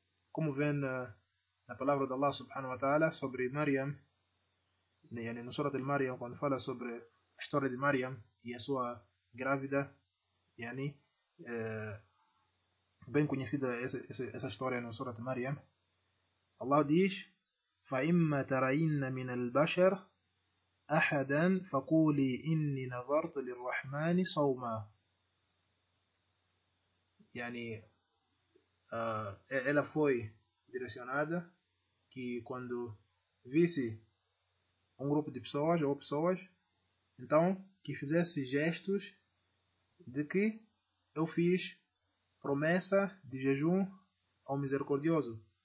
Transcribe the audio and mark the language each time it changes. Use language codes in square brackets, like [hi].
[pt] Como vem na palavra de Allah subhanahu wa ta'ala sobre Maryam, yani, no surat al-Maryam, quando fala sobre a história de Maryam e a sua grávida, yani, bem conhecida essa história no surat Maryam. [ar] Allah diz: فَإِمَّا تَرَيْنَّ مِنَ الْبَشَرِ أَحَدًا فَقُولِي إِنِّي نَظَرْتُ لِلرَّحْمَنِ صَوْمًا. [pt] Yani, ela foi direcionada que quando visse um grupo de pessoas ou pessoas, então que fizesse gestos de que eu fiz promessa de jejum ao misericordioso.